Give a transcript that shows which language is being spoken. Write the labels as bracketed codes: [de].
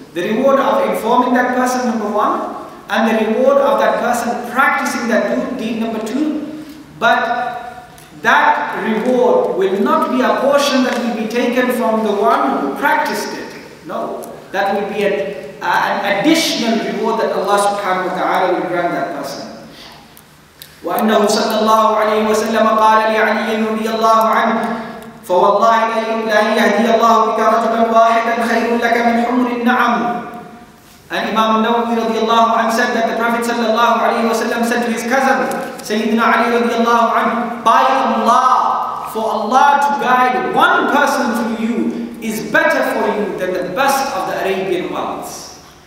[en] The reward of informing that person, number one, and the reward of that person practicing that good deed, number two. But that reward will not be a portion that will be taken from the one who practiced it. No, that will be an additional reward that Allah subhanahu wa ta'ala will grant that person. [ar] وَأَنَّهُ صَلَّى اللَّهُ عَلَيْهِ وَسَلَّمَ قَالَ لِعَلِيٍّ رَضِيَ اللَّهُ عَنْهُ فوالله لن يهدي الله بك رجلا واحدا خير لك من حمر النعم. [en] And Imam al-Nawawi رضي الله عنه said that the Prophet صلى الله عليه وسلم said to his cousin سيدنا علي رضي الله عنه By Allah, for Allah to guide one person to you is better for you than the best of the Arabian wealths.